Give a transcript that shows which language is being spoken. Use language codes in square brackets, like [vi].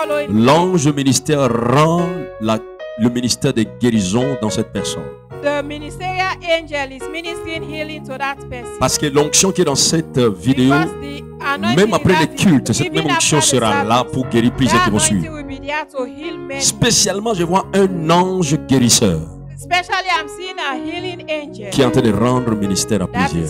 [fr] L'ange de ministère rend le ministère de guérison dans cette personne. [en] The ministerial angel is ministering healing to that person. [fr] Parce que l'onction qui est dans cette vidéo, même après le culte, cette même onction sera là pour guérir plusieurs qui vont suivre. Spécialement, je vois un ange guérisseur. [en] Especially, I'm seeing a healing angel [fr] qui est en train de rendre ministère à plusieurs.